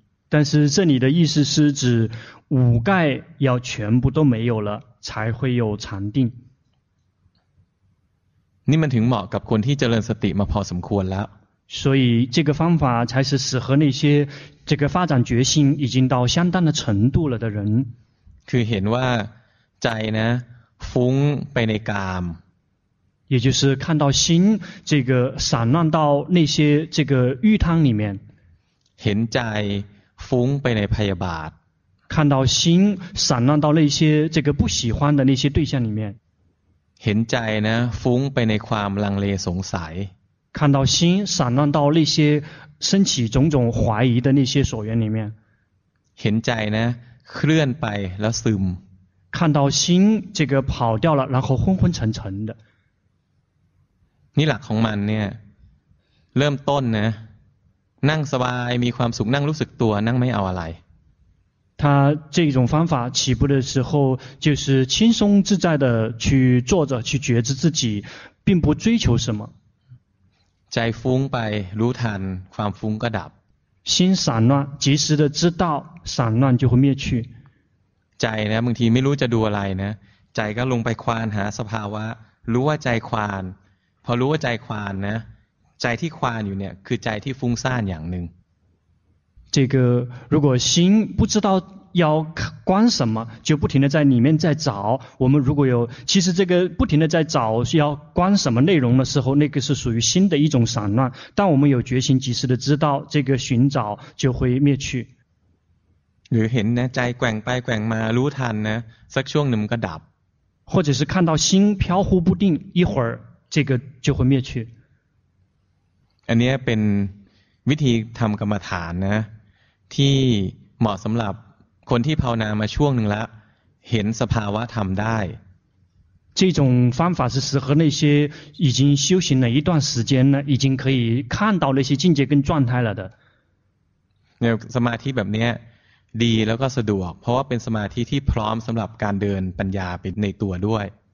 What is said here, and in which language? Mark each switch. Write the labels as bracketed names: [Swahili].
[Chinese] 但是这里的意思是指五盖要全部都没有了才会有禅定 [Thai] นี่มันถึงเหมาะกับคนที่เจริญสติมาพอสมควรแล้ว [Chinese] 所以这个方法才是适合那些这个发展决心已经到相当的程度了的人 [Thai] คือเห็นว่าใจนะฟุ้งไปในกาม [Chinese] 也就是看到心这个散乱到那些这个欲贪里面 [Thai] เห็นใจฟุ้งไปในพยาบาท [Chinese] 看到心散乱到那些这个不喜欢的那些对象里面 [Thai] เห็นใจนะฟุ้งไปในความลังเลสงสัย [Chinese] 看到心散乱到那些升起种种怀疑的那些所缘里面 [Thai] เห็นใจนะเคลื่อนไปแล้วซึม [Chinese] 看到心这个跑掉了然后昏昏沉沉的 [Thai] นี่หลักของมันเนี่ยเริ่มต้นนะนั่งสบายมีความสุขนั่งรู้สึกตัวนั่งไม่เอาอะไร [Chinese] 他这种方法起步的时候就是轻松自在的去坐着去觉知自己并不追求什么 [Thai] ใจฟุ้งไปรู้ทันความฟุ้งก็ดับ [Chinese] 心散乱及时的知道散乱就会灭去 [Thai] ใจนะบางทีไม่รู้จะดูอะไรนะใจก็ลงไปควานหาสภาวะรู้ว่าใจควานพอรู้ว่าใจควานนะใจที่ควานอยู่เนี่ยคือใจที่ฟุ้งซ่านอย่างหนึ่ง [Chinese] 这个如果心不知道要观什么就不停的在里面在找我们如果有其实这个不停的在找要观什么内容的时候那个是属于心的一种散乱但我们有决心及时的知道这个寻找就会灭去 [Thai] หรือเห็นนะใจแกว่งไปแกว่งมารู้ทันนะสักช่วงหนึ่งก็ดับ [Chinese] 或者是看到心飘忽不定一会儿这个就会灭去 [Thai] อันนี้เป็นวิธีทำกรรมฐานนะที่เหมาะสำหรับคนที่ภาวนามาช่วงหนึ่งแล้วเห็นสภาวะธรรมได้ [Chinese] 这种方法是适合那些已经修行了一段时间了已经可以看到那些境界跟状态了的 [Thai] สมาธิแบบนี้ดีแล้วก็สะดวกเพราะว่าเป็นสมาธิที่พร้อมสำหรับการเดินปัญญาไปในตัวด้วย